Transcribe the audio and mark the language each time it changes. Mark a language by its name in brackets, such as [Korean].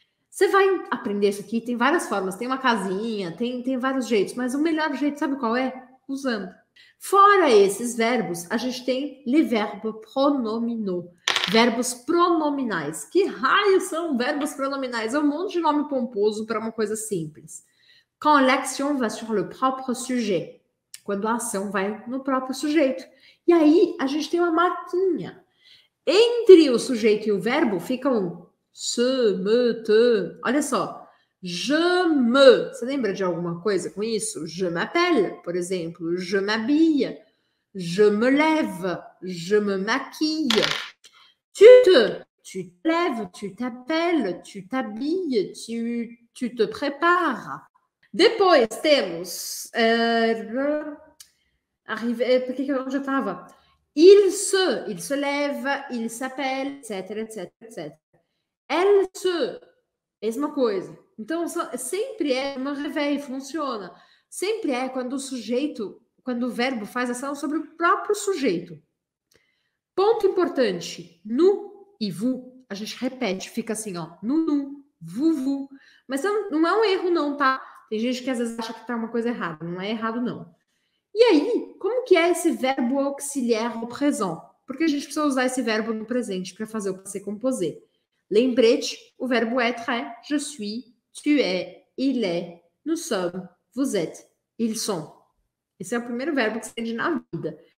[Portuguese] Você vai aprender isso aqui, tem várias formas, tem uma casinha, tem vários jeitos, mas o melhor jeito, sabe qual é? Usando. Fora esses verbos, a gente tem [French] les verbes pronominaux, [Portuguese] verbos pronominais. Que raios são verbos pronominais? É um monte de nome pomposo para uma coisa simples. [French] Quand l'action va sur le propre sujet. [Portuguese] Quando a ação vai no próprio sujeito. E aí, a gente tem uma marquinha. Entre o sujeito e o verbo, fica um se, me, te. Olha só. [French] Je me. [Portuguese] Você lembra de alguma coisa com isso? [French] Je m'appelle, [Portuguese] por exemplo. [French] Je m'habille. Je me lève. Je me maquille. Tu te. Tu te lèves. Tu t'appelles. Tu t'habilles. Tu te prépares. [Portuguese] Depois temos. Onde eu estava? [French] Il se lève, il s'appelle, etc, etc, etc. Elle se, [Portuguese] mesma coisa. Então, sempre é uma réveil, funciona. Sempre é quando o sujeito, quando o verbo faz ação sobre o próprio sujeito. Ponto importante: nous e vous, a gente repete, fica assim, ó. Nunu, vous, vous. Mas não é um erro, não, tá? Tem gente que às vezes acha que tá uma coisa errada. Não é errado, não. E aí, como que é esse verbo auxiliar [French] au présent? [Portuguese] Porque a gente precisa usar esse verbo no presente para fazer o passé composé. Lembrete, o verbo [French] être é je suis, tu es, il est, nous sommes, vous êtes, ils sont. [Portuguese] Esse é o primeiro verbo que se entende na vida.